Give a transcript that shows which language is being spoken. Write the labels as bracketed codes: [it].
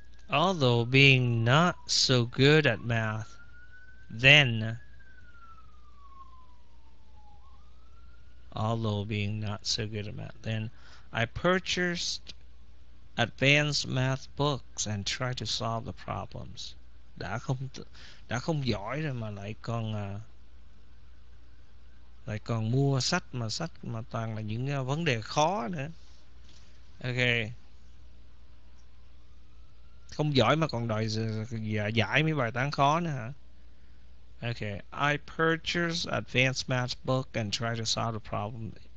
[en] Although being not so good at math, then, although being not so good at math, then I purchased advanced math books and tried to solve the problems. [vi] Đã không giỏi rồi mà lại còn mua sách mà toàn là những vấn đề khó nữa. Okay. Không giỏi mà còn đòi giải mấy bài toán khó nữa hả? [en] Okay, I purchased advanced math book and tried to solve the problem.